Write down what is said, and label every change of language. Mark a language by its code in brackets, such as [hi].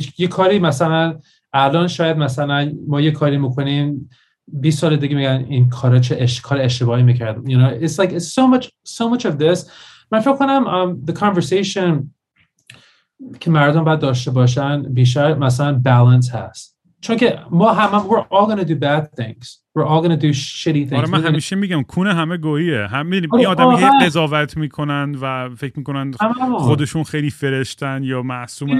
[fa] یه کاری مثلا الان شاید مثلا ما یه کاری میکنیم 20 سال دیگه میگن این کارا چه کار اشتباهی میکرد. [en] You know it's like it's so much of this. [fa] من فکر کنم [en] the conversation [fa] که مردم باید داشته باشن بیشتر مثلا balance هست. چون که ما همه [en] we're all gonna do bad things. We're all gonna do shitty things. [fa] آره من همیشه میگم کونه همه گوییه. همین آدم یه قضاوت میکنن و فکر میکنن خودشون خیلی فرشتن یا معصومن.